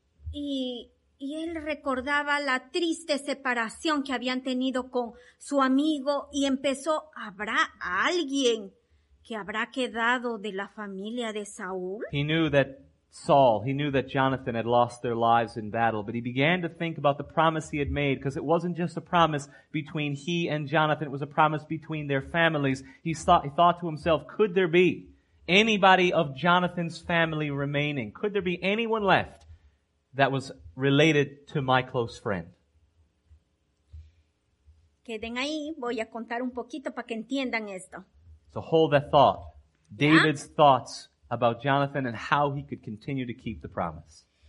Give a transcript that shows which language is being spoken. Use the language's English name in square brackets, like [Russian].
[Spanish] Y él recordaba la triste separación que habían tenido con su amigo y empezó, ¿habrá alguien que habrá quedado de la familia de Saúl? [English] He knew that Saul, he knew that Jonathan had lost their lives in battle, but he began to think about the promise he had made, because it wasn't just a promise between he and Jonathan, it was a promise between their families. He thought to himself, could there be anybody of Jonathan's family remaining? Could there be anyone left that was related to my close friend? [Spanish] Queden ahí, voy a contar un poquito para que entiendan esto. [English] So hold that thought. David's thoughts about Jonathan and how he could continue to keep the promise.